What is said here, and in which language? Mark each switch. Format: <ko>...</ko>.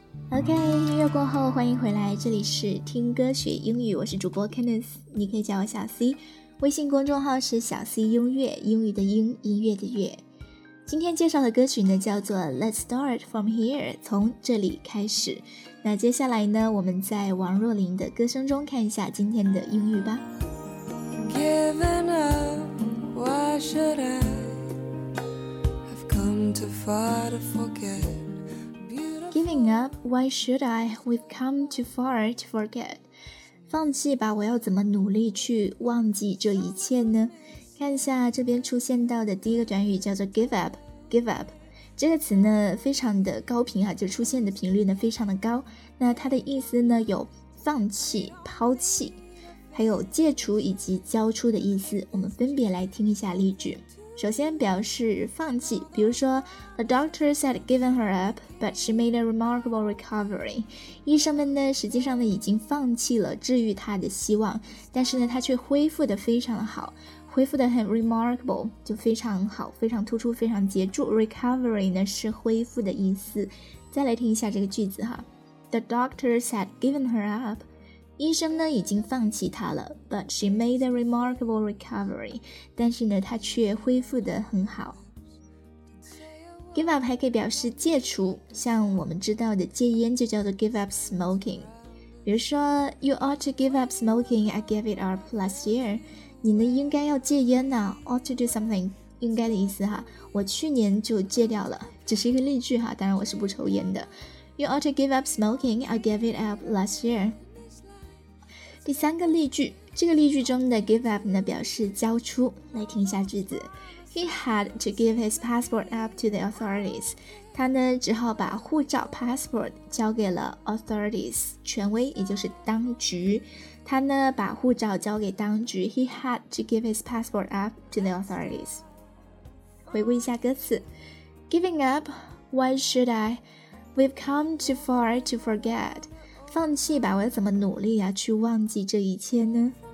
<zh>欢迎回来，这里是听歌学英语，我是主播 Kenneth， 你可以叫我小 C， 微信公众号是小 C 音乐，英语的英，音乐的乐。今天介绍的歌曲呢叫做 Let's Start From Here， 从这里开始。那接下来呢，我们在王若琳的歌声中看一下今天的英语吧。</zh> <en>Given up, why should I? I've come too far to forget Giving up, why should I? We've come too far to forget.</en> <zh>放弃吧，我要怎么努力去忘记这一切呢？看一下这边出现到的第一个短语叫做 give up， 这个词呢非常的高频啊，就出现的频率呢非常的高。那它的意思呢有放弃、抛弃，还有戒除以及交出的意思。我们分别来听一下例句。首先表示放弃，比如说</zh> <en>The doctor said giving her up, but she made a remarkable recovery.</en> <zh>医生们呢实际上呢已经放弃了治愈她的希望，但是呢她却恢复得非常的好，恢复得很 remarkable， 就非常好，非常突出，非常杰出。 Recovery 呢是恢复的意思。再来听一下这个句子哈，</zh> <en>The doctor said giving her up，</en> <zh>医生呢已经放弃她了，</zh> <en>but she made a remarkable recovery，</en> <zh>但是呢她却恢复得很好。 Give up 还可以表示戒除，像我们知道的戒烟就叫做</zh> <en>give up smoking。</en> <zh>比如说</zh> <en>You ought to give up smoking, I gave it up last year。</en> <zh>你呢应该要戒烟啊，</zh> <en>ought to do something，</en> <zh>应该的意思哈，我去年就戒掉了，只是一个例句哈，当然我是不抽烟的。</zh> <en>You ought to give up smoking, I gave it up last year。</en> <zh>第三个例句，这个例句中的 give up 呢表示交出。来听一下句子。</zh> <en>He had to give his passport up to the authorities.</en> <zh>他呢只好把护照 passport 交给了 authorities， 权威，也就是当局。他呢把护照交给当局。</zh> <en>He had to give his passport up to the authorities.</en> <zh>回顾一下歌词。</zh> <en>Giving up, why should I? We've come too far to forget.</en> <zh>放弃吧，我要怎么努力啊去忘记这一切呢？</zh>